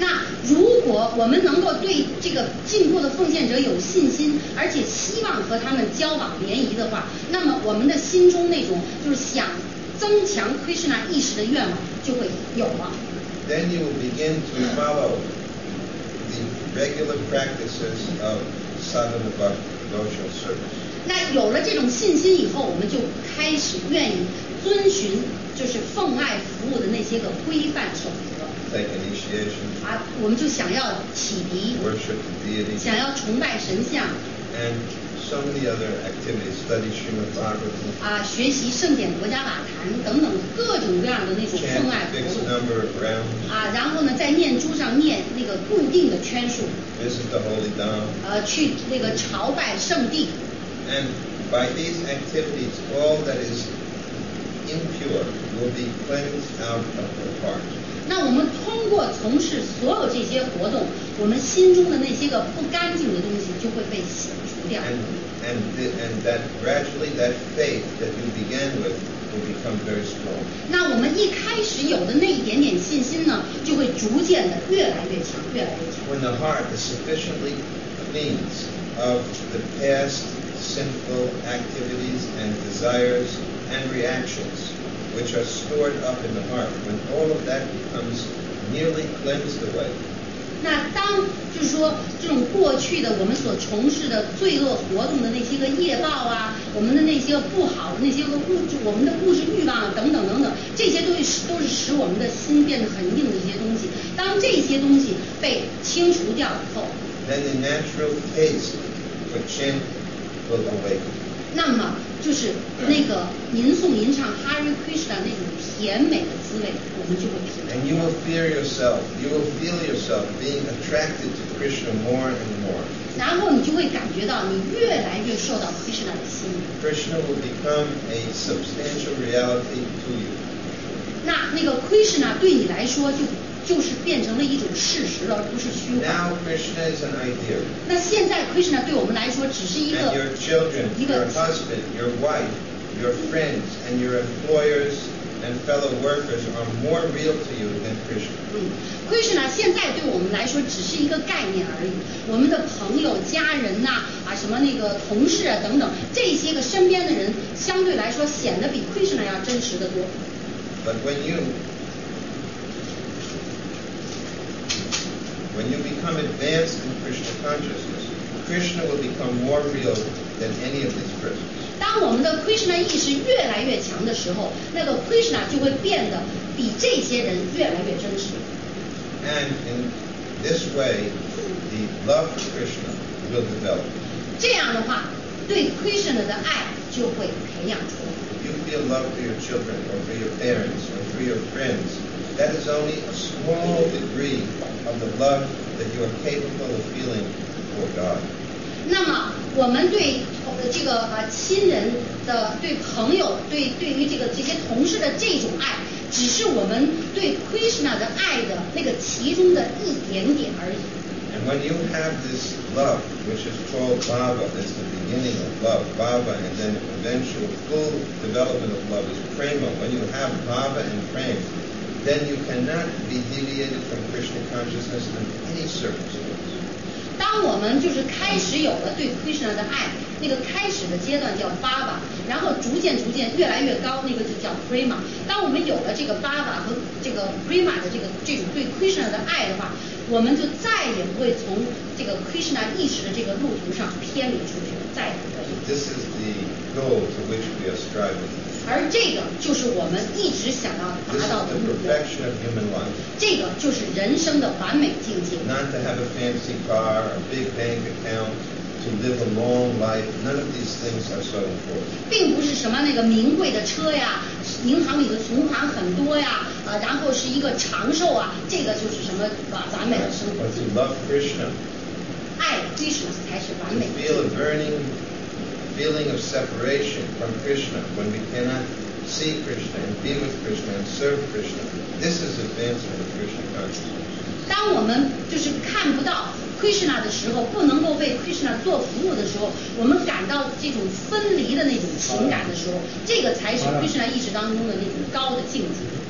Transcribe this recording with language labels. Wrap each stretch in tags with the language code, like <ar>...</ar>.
<zh>那如果我们能够对这个进步的奉献者有信心而且希望和他们交往联谊的话那么我们的心中那种就是想增强 Krishna 意识的愿望就会有了</zh> <en>then you will begin to follow the regular practices of sadhana bhakti service.</en> <zh>那有了这种信心以后，我们就开始愿意遵循就是奉爱服务的那些个规范守则。</zh> <en>Take initiation.</en> <zh>啊，我们就想要启迪。</zh> <en>Worship the deity.</en> <zh>想要崇拜神像。</zh> <en>And so many other activities, study Srimad Bhagavatam.</en> <zh>啊，学习圣典国家瓦坛等等各种各样的那种奉爱服务。</zh> <en>Chant fixed number of rounds.</en> <zh>啊，然后呢，在念珠上念那个固定的圈数。</zh> <en>Visit the holy dam.</en> <zh>去那个朝拜圣地。</zh> <en>And by these activities, all that is impure will be cleansed out of the heart.</en> <zh>那我们通过从事所有这些活动，我们心中的那些个不干净的东西就会被洗除掉。</zh> <en>And that gradually that faith that you began with will become very strong.</en> <zh>那我们一开始有的那一点点信心呢，就会逐渐的越来越强，越来越强。</zh> <en>When the heart is sufficiently cleansed of the past sinful activities and desires and reactions which are stored up in the heart, when all of that becomes nearly cleansed away.</en> <zh>那当就是说这种过去的我们所从事的罪恶活动的那些个业报啊，我们的那些不好的那些个物质，我们的物质欲望等等等等，这些东西都是使我们的心变得很硬的一些东西。当这些东西被清除掉以后，</zh> <en>then the natural taste for chant will awaken.</en> <zh>那么就是那个吟诵吟唱 Hare Krishna 那种甜美的滋味，我们就会品尝。</zh> <en>And you will feel yourself, you will feel yourself being attracted to Krishna more and more.</en> <zh>然后你就会感觉到你越来越受到 Krishna 的吸引。</zh> <en>Krishna will become a substantial reality to you.</en> <zh>那个 Krishna 对你来说就是变成了一种事实，而不是虚幻。</zh> <en>Now Krishna is an idea.</en> <zh>那现在 Krishna 对我们来说只是一个。</zh> <en>And your children, your husband, your wife, your friends, and your employers and fellow workers are more real to you than Krishna.</en> <zh>Krishna 现在对我们来说只是一个概念而已。我们的朋友、家人呐、什么那个同事啊等等，这些个身边的人相对来说显得比 Krishna 要真实的多。</zh> <en>But when you become advanced in Krishna consciousness, Krishna will become more real than any of these persons.</en> <zh>当我们的 Krishna 意识越来越强的时候，那个 Krishna 就会变得比这些人越来越真实。</zh> <en>And in this way, the love of Krishna will develop.</en> <zh>这样的话，对 Krishna 的爱就会培养出来。</zh> <en>If you feel love for your children, or for your parents, or for your friends, that is only a small degree of the love that you are capable of feeling for God.</en> <zh>那么我们对这个亲人的、对朋友、对于这些同事的这种爱，只是我们对 Krishna 的爱的那个其中的一点点而已。</zh> <en>And when you have this love, which is called bhava, that's the beginning of love, bhava, and then eventual full development of love is prema. When you have bhava and prema, then you cannot be deviated from Krishna consciousness in any circumstance.</en> <zh>当我们就是开始有了对 Krishna 的爱，那个开始的阶段叫 bhava， 然后逐渐越来越高，那个就叫 prema。当我们有了这个 bhava 和这个 prema 的这种对 Krishna 的爱的话，我们就再也不会从这个 Krishna 意识的这个路途上偏离出去，再也不会。</zh> <en>So、this is the goal to which we are striving.</en> <zh>而这个就是我们一直想要达到的目标。这个就是人生的完美境界。</zh> <en>Not to have a fancy car, a big bank account, to live a long life. None of these things are so important.</en> <zh>并不是什么那个名贵的车呀，银行里的存款很多呀，然后是一个长寿啊，这个就是什么完美的生活。</zh> <en>But to love Krishna.</en> <zh>爱 Krishna 才是完美。</zh> <en>Feel a burning. Feeling of separation from Krishna when we cannot see Krishna and be with Krishna and serve Krishna. This is advancement of Krishna consciousness.</en> <zh>当我们就是看不到 Krishna 的时候，不能够为 Krishna 做服务的时候，我们感到这种分离的那种情感的时候，这个才是 Krishna 意识当中的那种高的境界。</zh>